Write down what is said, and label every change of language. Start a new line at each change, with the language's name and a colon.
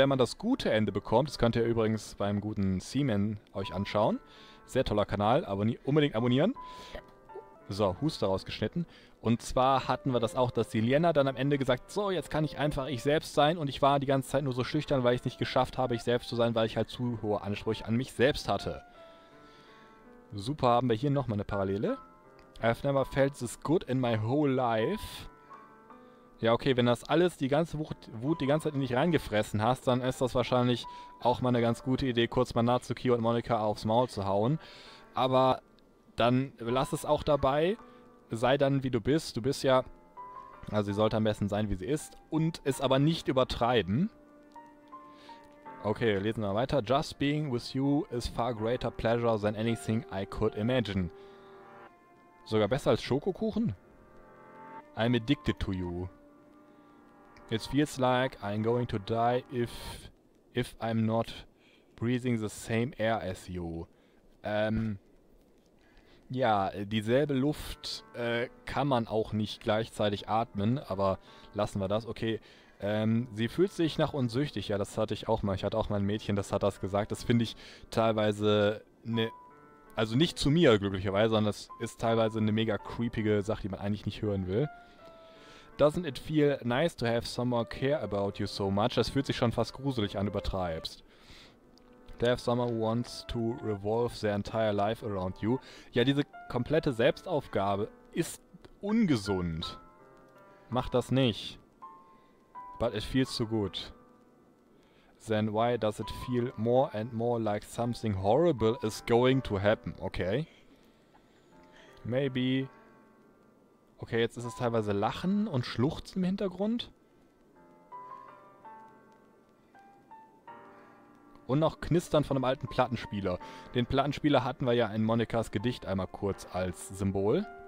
German: Wenn man das gute Ende bekommt, das könnt ihr übrigens beim guten Seaman euch anschauen. Sehr toller Kanal. Unbedingt abonnieren. So, Huster rausgeschnitten. Und zwar hatten wir das auch, dass die Lena dann am Ende gesagt, so, jetzt kann ich einfach ich selbst sein. Und ich war die ganze Zeit nur so schüchtern, weil ich es nicht geschafft habe, ich selbst zu sein, weil ich halt zu hohe Ansprüche an mich selbst hatte. Super, haben wir hier nochmal eine Parallele.
English: I've never felt this good in my whole life.
German: Ja, okay, wenn das alles, die ganze Wut die ganze Zeit in dich reingefressen hast, dann ist das wahrscheinlich auch mal eine ganz gute Idee, kurz mal Natsuki und Monika aufs Maul zu hauen. Aber dann lass es auch dabei, sei dann wie du bist. Du bist ja, also sie sollte am besten sein, wie sie ist, und es aber nicht übertreiben. Okay, lesen wir mal weiter.
English: Just being with you is far greater pleasure than anything I could imagine.
German: Sogar besser als Schokokuchen?
English: I'm addicted to you. It feels like I'm going to die if I'm not breathing the same air as you.
German: Ja, dieselbe Luft kann man auch nicht gleichzeitig atmen, aber lassen wir das. Okay, sie fühlt sich nach uns süchtig. Ja, das hatte ich auch mal. Ich hatte auch mal ein Mädchen, das hat das gesagt. Das finde ich teilweise eine... Also nicht zu mir, glücklicherweise, sondern das ist teilweise eine mega creepige Sache, die man eigentlich nicht hören will.
English: Doesn't it feel nice to have someone care about you so much?
German: Das fühlt sich schon fast gruselig an, übertreibst.
English: To have someone who wants to revolve their entire life around you.
German: Ja, diese komplette Selbstaufgabe ist ungesund. Mach das nicht.
English: But it feels so good. Then why does it feel more and more like something horrible is going to happen? Okay. Maybe...
German: Okay, jetzt ist es teilweise Lachen und Schluchzen im Hintergrund. Und noch Knistern von einem alten Plattenspieler. Den Plattenspieler hatten wir ja in Monikas Gedicht einmal kurz als Symbol.